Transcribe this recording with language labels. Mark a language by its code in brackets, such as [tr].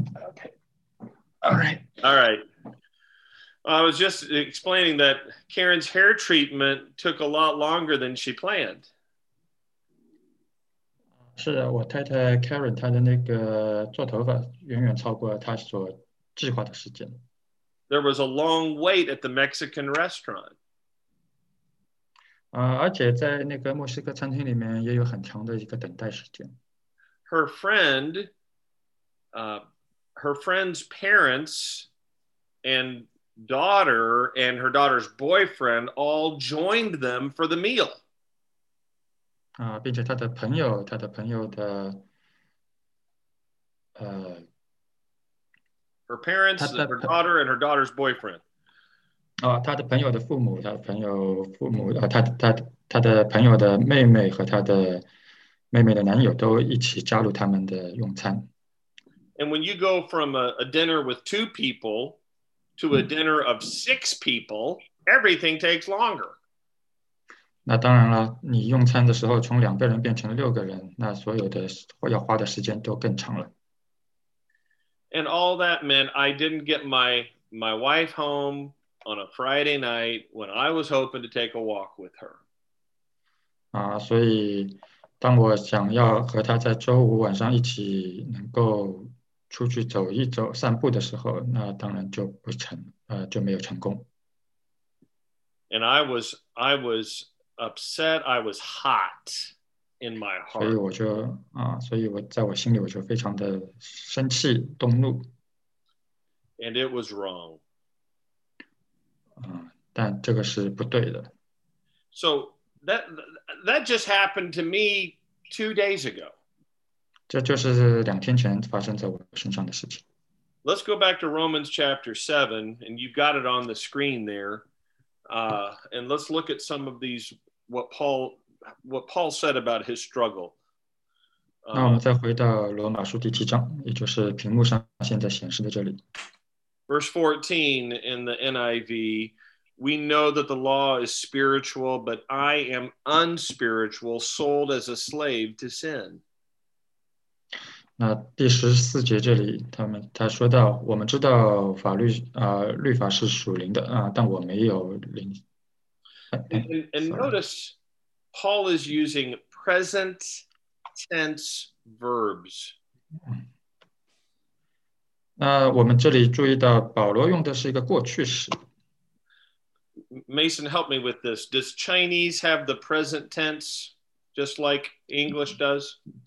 [en] Okay. All right. I was just explaining that Karen's hair treatment took a lot longer than she planned. [zh] 是的，我太太 Karen 她的那个做头发远远超过她所计划的时间。 [en] There was a long wait at the Mexican restaurant. [zh] 而且在那个墨西哥餐厅里面也有很长的一个等待时间。 [en] Her friend, her friend's parents and daughter and her daughter's boyfriend all joined them for the meal. [zh] 并且她的朋友的 [en] her parents, her daughter and her daughter's boyfriend. [zh] 她的朋友的父母，她的朋友父母，她的朋友的妹妹和她的妹妹的男友都一起加入他们的用餐。 [en] And when you go from a dinner with two people to a dinner of six people, everything takes longer. [zh] 那当然了，你用餐的时候从两个人变成六个人，那所有的要花的时间都更长了。 [en] And all that meant I didn't get my wife home on a Friday night when I was hoping to take a walk with her. [zh] 所以当我想要和他在周五晚上一起能够出去走一走散步的时候，那当然就不成，就没有成功。 [en] And I was upset, I was hot. in my heart. [zh] 所以我就啊，所以我在我心里我就非常的生气动怒。 [en] And it was wrong. [zh] 但这个是不对的。 [en] So that just happened to me 2 days ago. [zh] 这就是两天前发生在我身上的事情。 [en] Let's go back to Romans chapter 7, and you've got it on the screen there. And let's look at some of these, what Paul said about his struggle. [zh] 那我们再回到罗马书第七章，也就是屏幕上现在显示的这里。 [en] Verse 14 in the NIV, we know that the law is spiritual, but I am unspiritual, sold as a slave to sin. [zh] 那第十四节这里他说到，我们知道法律，律法是属灵的，但我没有灵。 [en] And notice, Paul is using present tense verbs. [zh] 那我们这里注意到保罗用的是一个过去式。 [en] Mason, help me with this. Does Chinese have the present tense just like English does?